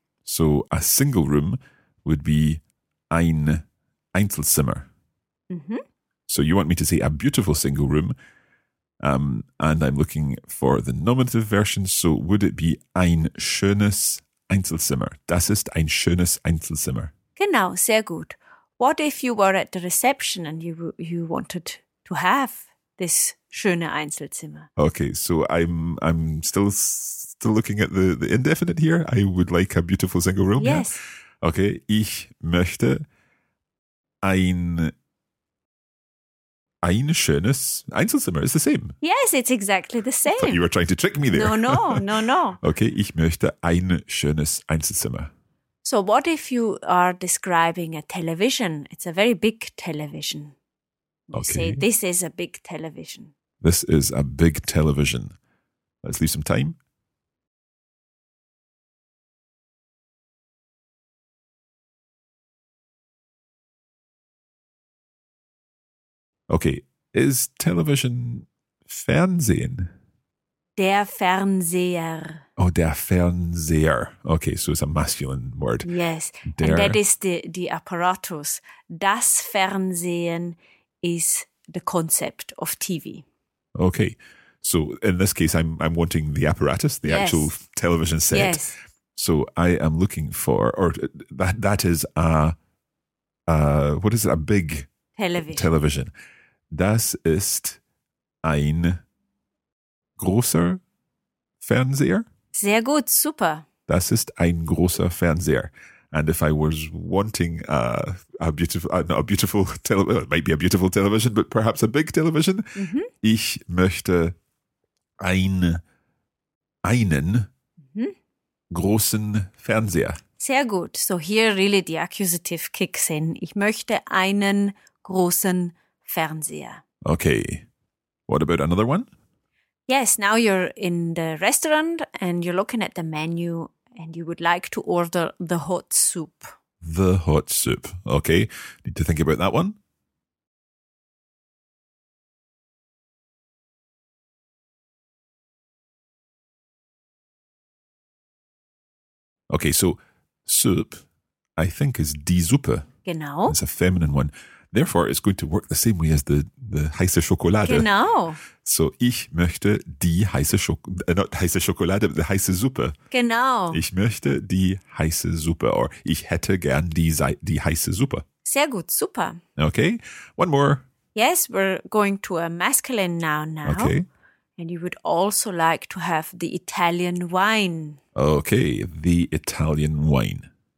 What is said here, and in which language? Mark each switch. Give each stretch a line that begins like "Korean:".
English: So a single room would be ein Einzelzimmer. Mm-hmm. So you want me to say a beautiful single room, and I'm looking for the nominative version. So would it be
German: ein schönes Einzelzimmer? Das ist ein schönes Einzelzimmer. Genau, sehr gut.
English: What if you were at the reception and you wanted to have this schöne Einzelzimmer? Okay, so I'm still looking at the indefinite here. I would like a beautiful single room. Yes. Yeah.
German: Okay, ich möchte ein schönes Einzelzimmer.
English: It's the same. Yes, it's exactly the same. I thought you were trying to trick me there. No.
German: Okay, ich möchte ein schönes Einzelzimmer.
English: So what if you are describing a television? It's a very big television. Okay. Say, this is a big television. This is a big television. Let's leave some time. Okay. Is television Fernsehen?
German: Der Fernseher. Oh, der Fernseher.
English: Okay, so it's a masculine word. Yes, der. And that is the apparatus. Das Fernsehen is the concept of TV. Okay, so in this case, I'm wanting the apparatus, the actual television set. Yes. So I am looking for, or that is a, what is it? A big television.
German: Das ist ein großer Fernseher. Sehr gut, super. Das ist ein großer Fernseher.
English: And if I was wanting a beautiful television, but perhaps a big television, mm-hmm.
German: ich möchte einen großen Fernseher. Sehr gut.
English: So here really the accusative kicks in.
German: Ich möchte einen großen Fernseher.
English: Okay. What about another one? Yes, now you're in the restaurant and you're looking at the menu and you would like to order the hot soup. The hot soup. Okay. Need to think about that one. Okay, so soup, I think, is die Suppe.
German: Genau.
English: It's a feminine one. Therefore, it's going to work the same way as the
German: heiße Schokolade. Genau. So, ich möchte die heiße Schokolade,
English: not
German: heiße Schokolade,
English: but the
German: heiße Suppe. Genau. Ich möchte die heiße Suppe, or ich hätte gern die heiße Suppe. Sehr gut, super.
English: Okay, one more. Yes, we're going to a masculine now. Okay. And you would also like to have the Italian wine. Okay, the Italian wine.